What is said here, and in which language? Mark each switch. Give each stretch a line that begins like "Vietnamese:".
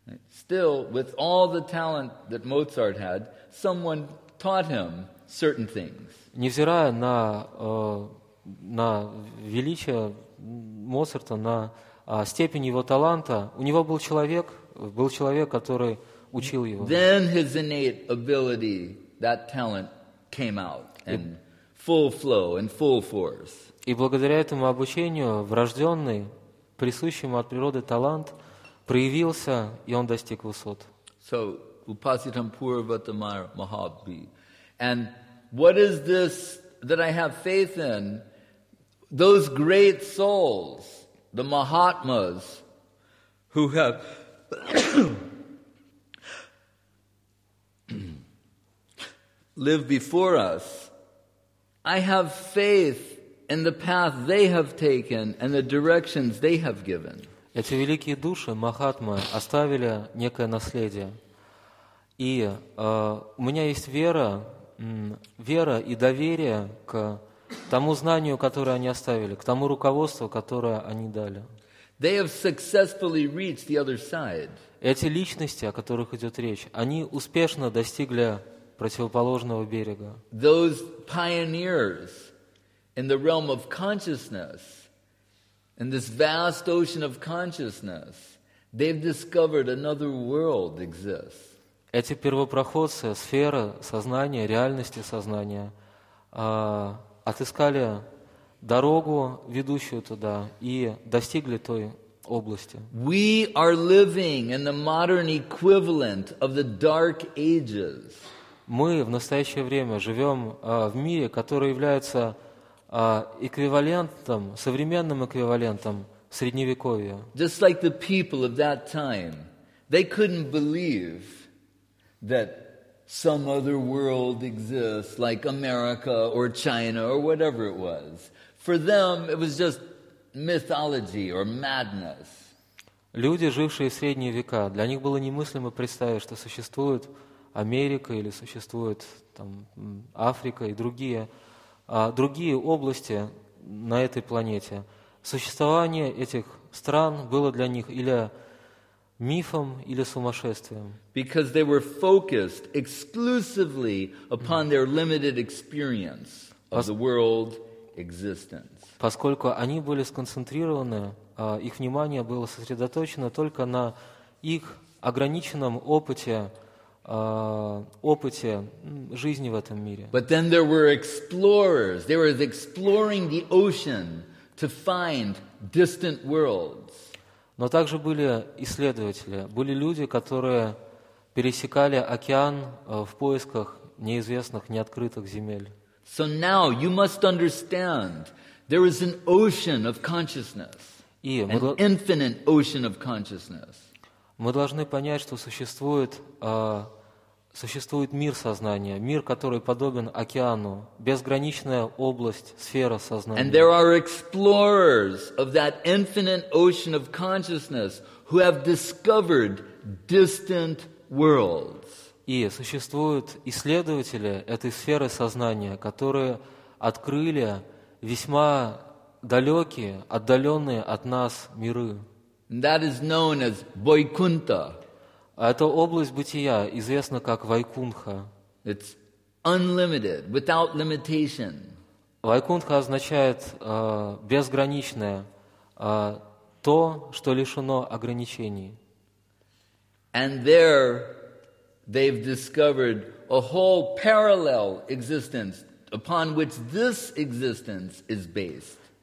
English: Still, with all the talent that Mozart had, someone taught him certain things.
Russian: Невзирая на величие Моцарта, на степень его таланта, у него был человек. Был человек, который учил его.
English: Then his innate ability, that talent came out in full flow and full force.
Russian: И благодаря этому обучению врожденный, присущий ему от природы талант проявился, и он достиг высот.
Sanskrit: So upasitam purvatamar mahabhi.
English: And what is this that I have faith in? Those great souls, the mahatmas, who have live before us. I have faith in the path they have taken and the directions they have given.
Russian: Эти великие души, махатмы, оставили некое наследие. И у меня есть вера вера и доверие к тому знанию, которое они оставили, к тому руководству, которое они дали.
English: They have successfully reached the other side.
Russian: Эти личности, о которых идет речь, они успешно достигли противоположного берега.
English: Those pioneers in the realm of consciousness, in this vast ocean of consciousness, they've discovered another world exists.
Russian: Эти первопроходцы, сфера сознания, реальности сознания, отыскали дорогу, ведущую туда, и достигли той области.
English: We are living in the modern equivalent of the Dark Ages.
Russian: Мы в настоящее время живем в мире, который является эквивалентом, современным эквивалентом Средневековья.
English: Just like the people of that time, they couldn't believe that some other world exists, like America or China or whatever it was. For them, it was just mythology or madness.
Russian: Люди, жившие в Средние века, для них было немыслимо представить, что существует Америка или существует там Африка и другие, другие области на этой планете. Существование этих стран было для них или мифом, или сумасшествием.
English: Because they were focused exclusively upon their limited experience of the world existence.
Russian: Поскольку они были сконцентрированы, их внимание было сосредоточено только на их ограниченном опыте, опыте жизни в этом мире.
English: But then there were explorers. They were exploring the ocean to find distant worlds.
Russian: Но также были исследователи, были люди, которые пересекали океан в поисках неизвестных, неоткрытых земель.
English: So now you must understand, there is an ocean of consciousness, an infinite ocean of consciousness.
Russian: Мы должны понять, что существует, существует мир сознания, мир, который подобен океану, безграничная область, сфера сознания.
English: And there are explorers of that infinite ocean of consciousness who have discovered distant worlds.
Russian: И существуют исследователи этой сферы сознания, которые открыли весьма далекие, отдаленные от нас миры.
English: And that is known as Vaikuntha.
Russian: А эта область бытия известна как Вайкунха.
English: It's unlimited, without limitation.
Russian: Вайкунха означает безграничное, то, что лишено ограничений.
English: And there they've discovered a whole parallel existence upon which this existence is based.